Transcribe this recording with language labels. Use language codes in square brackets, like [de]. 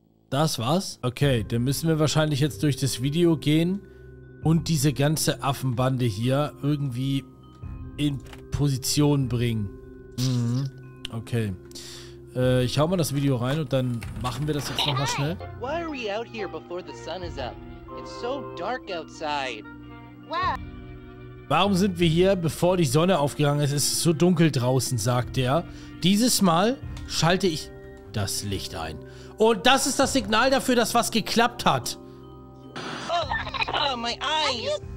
[de] Das war's? Okay, dann müssen wir wahrscheinlich jetzt durch das Video gehen und diese ganze Affenbande hier irgendwie in Position bringen. Mhm. Okay. Ich hau mal das Video rein und dann machen wir das jetzt nochmal schnell. [en] Why are we out here before the sun is up? It's so dark outside. What? [de] Warum sind wir hier, bevor die Sonne aufgegangen ist? Es ist so dunkel draußen, sagt er. Dieses Mal schalte ich das Licht ein. Und das ist das Signal dafür, dass was geklappt hat. [en] Oh, oh my eyes.